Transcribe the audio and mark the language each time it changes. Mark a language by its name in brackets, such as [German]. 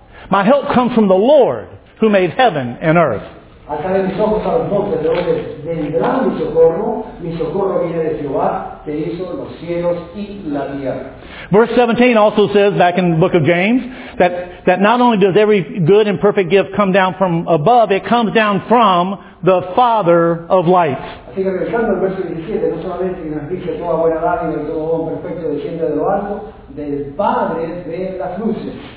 [English] My help comes from the Lord, who made heaven and earth. [Spanish] Alzaré mis ojos a los montes, de donde vendrá mi socorro viene de Jehová, te hizo los cielos y la tierra. [English] Verse 17 also says, back in the book of James, that not only does every good and perfect gift come down from above, it comes down from the Father of lights. [Spanish] Así que regresando al verso 17, no solamente nos dice toda buena dádiva y todo don perfecto desciende de lo alto, del Padre de las luces.